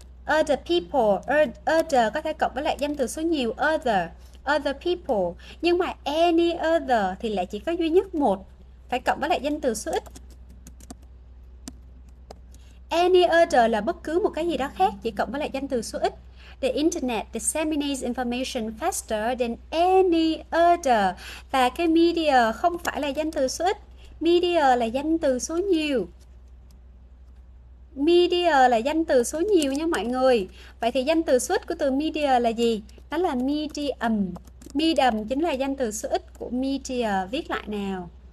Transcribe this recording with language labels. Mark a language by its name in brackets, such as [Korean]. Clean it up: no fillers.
[English] Other people, [Vietnamese] other có thể cộng với lại danh từ số nhiều other. Other people. Nhưng mà any other thì lại chỉ có duy nhất một, phải cộng với lại danh từ số ít. Any other là bất cứ một cái gì đó khác, chỉ cộng với lại danh từ số ít. [English] The internet disseminates information faster than any other. [Vietnamese] Và cái media không phải là danh từ số ít. Media là danh từ số nhiều. Media là danh từ số nhiều nha mọi người. Vậy thì danh từ số ít của từ media là gì? Đó là medium. Medium chính là danh từ số ít của media. Viết lại nào.